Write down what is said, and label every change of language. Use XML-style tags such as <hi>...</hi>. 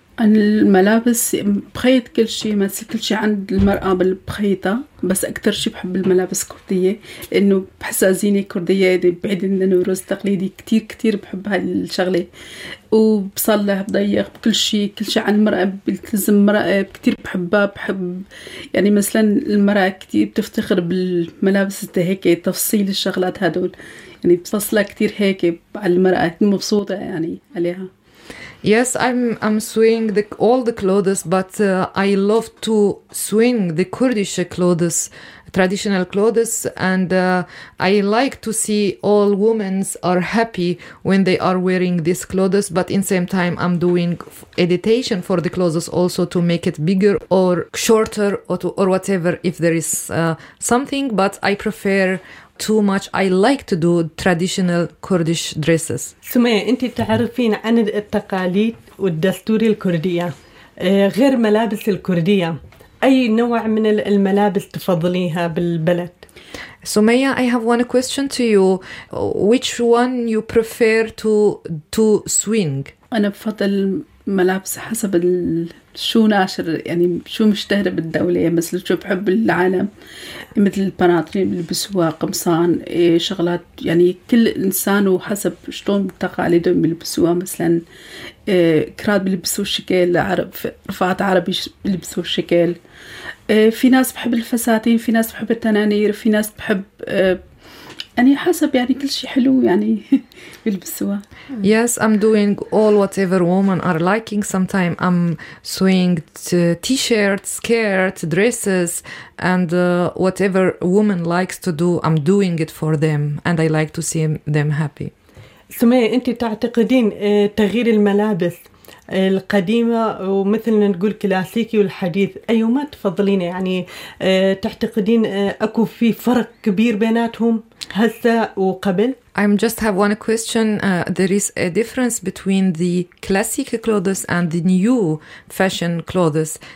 <ar>And الملابس بخيط كل شيء ما تسي كل شيء عند المرأة بالبخيطة بس أكتر شيء بحب الملابس كردية إنه بحس زينة كردية بعيد عن النوروز التقليدي كتير كتير بحب هالشغلة وبصله بضيق بكل شيء كل شيء عن المرأة بيلتزم المرأة كتير بحبها بحب يعني مثلا المرأة كتير بتفتخر بالملابس هيك تفصيل الشغلات هدول يعني بتفصلها كتير هيك على المرأة مبسوطة يعني عليها.</ar> <en>Yes, I'm sewing all the clothes, but I love to swing the Kurdish clothes, traditional clothes, and I like to see all women are happy when they are wearing these clothes, but in same time, I'm doing editation for the clothes also to make it bigger or shorter or whatever if there is something, but I prefer too much. I like to do traditional Kurdish dresses.</en> <ar>سمية أنت تعرفين عن التقاليد والدستور الكردية غير ملابس الكردية أي نوع من الملابس تفضليها بالبلد؟</ar> <en>سمية, I have one question to you. Which one you prefer to swing?</en> <ar>أنا بفضل ملابس حسب شو ناشر يعني شو مشتهر بالدولة مثل شو بحب العالم مثل البناطلون اللي بلبسوها قمصان شغلات يعني كل إنسان وحسب شلون تقاليده بلبسوها مثلا كراد بلبسوا الشكل عرب رفعت عربي بلبسوا الشكل في ناس بحب الفساتين في ناس بحب التنانير في ناس بحب يعني حسب يعني كل شيء حلو يعني بلبسوها.</ar> <en>Yes, I'm doing all whatever women are liking. Sometimes I'm sewing t-shirts, skirts, dresses, and whatever woman likes to do, I'm doing it for them, and I like to see them happy.</en> <ar>سمية, أنت تعتقدين تغيير الملابس القديمة ومثل نقول كلاسيكي والحديث أيهما تفضلين يعني تعتقدين أكو في فرق كبير بيناتهم هسه وقبل؟</ar> <en>I just have one question. There is a difference between the classic clothes and the new fashion clothes.</en>